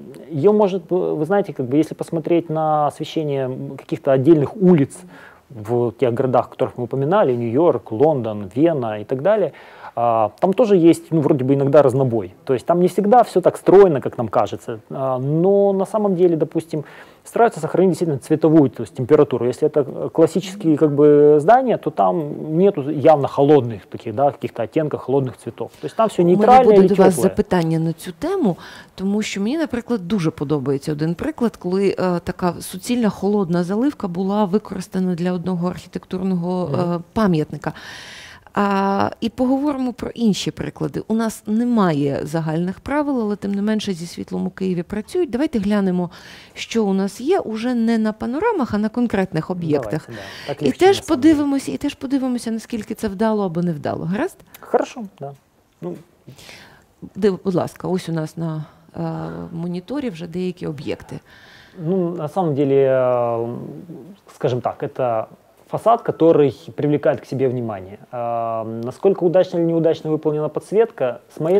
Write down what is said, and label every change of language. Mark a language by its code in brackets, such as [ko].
[ru] ее может, вы знаете, как бы, если посмотреть на освещение каких-то отдельных улиц в тех городах, о которых мы упоминали, Нью-Йорк, Лондон, Вена и так далее, там тоже есть, ну, вроде бы, иногда разнобой. То есть там не всегда все так стройно, как нам кажется. Но на самом деле, допустим, стараются сохранить действительно цветовую, то есть температуру. Если это классические, как бы, здания, то там нет явно холодных таких, да, каких-то оттенков, холодных цветов. То есть там все нейтральное или [uk] тепле. У мене буде до вас запитання на цю тему, тому що мені, наприклад, дуже подобається один приклад, коли така суцільна холодна заливка була використана для одного архітектурного пам'ятника. І поговоримо про інші приклади. У нас немає загальних правил, але тим не менше зі світлом у Києві працюють. Давайте глянемо, що у нас є уже не на панорамах, а на конкретних об'єктах. [ru] Давайте, да. [uk] І теж подивимося, наскільки це вдало або не вдало. Гаразд? [ru] Хорошо, да. Ну. [uk] Будь ласка, ось у нас на моніторі вже деякі об'єкти. [ru] Ну, на самом деле, скажем так, это фасад, который привлекает к себе внимание. Насколько удачно или неудачно выполнена подсветка, с моей